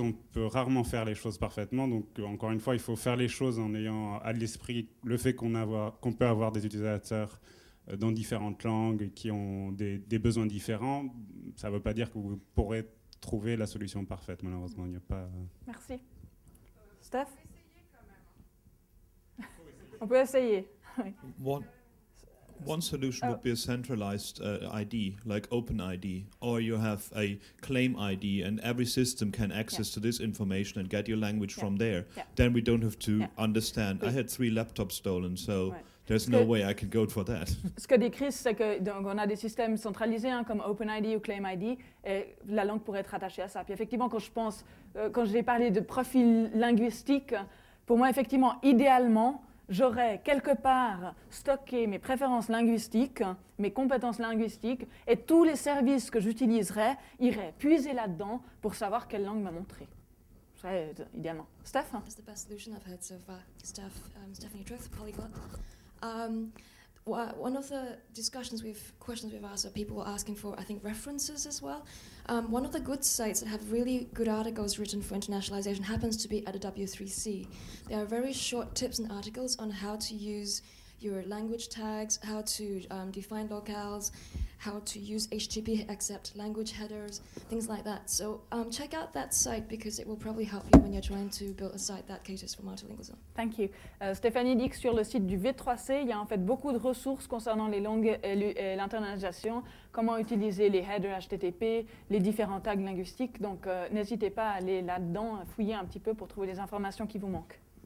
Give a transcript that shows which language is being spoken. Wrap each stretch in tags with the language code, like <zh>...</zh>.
<fr>On peut rarement faire les choses parfaitement. Donc, encore une fois, il faut faire les choses en ayant à l'esprit le fait qu'on peut avoir des utilisateurs dans différentes langues qui ont des besoins différents. Ça ne veut pas dire que vous pourrez trouver la solution parfaite, malheureusement. Il n'y a pas... Merci. Steph? On peut essayer quand même. On peut essayer.</fr> <en>One solution would be a centralized ID, like OpenID, or you have a claim ID and every system can access to this information and get your language from there. Yeah. Then we don't have to understand.</en> <fr>Oui.</fr> <en>I had 3 laptops stolen, so...</en> <fr>Ouais.</fr> <en>There's no way I could go for that.</en> <fr>Ce que dit Chris, c'est que donc on a des systèmes centralisés, hein, comme OpenID ou ClaimID, et la langue pourrait être attachée à ça. Puis effectivement, quand j'ai parlé de profil linguistique, Pour moi, effectivement, idéalement, j'aurais quelque part stocké mes préférences linguistiques, mes compétences linguistiques, et tous les services que j'utiliserais iraient puiser là-dedans pour savoir quelle langue m'a montré. C'est idéalement. Steph?</fr> <en>That's the best solution I've heard so far. Steph, Stephanie Truth, Polyglot. One of the discussions questions we've asked are people asking for, I think, references as well. One of the good sites that have really good articles written for internationalization happens to be at a W3C. There are very short tips and articles on how to use your language tags, how to define locales, how to use HTTP accept language headers, things like that. So check out that site because it will probably help you when you're trying to build a site that caters for multilingualism. Thank you.</en> <fr>Stéphanie dit que sur le site du V3C, il y a en fait beaucoup de ressources concernant les langues et l'internationalisation, comment utiliser les headers HTTP, les différents tags linguistiques. Donc n'hésitez pas à aller là-dedans, fouiller un petit peu pour trouver les informations qui vous manquent.</fr>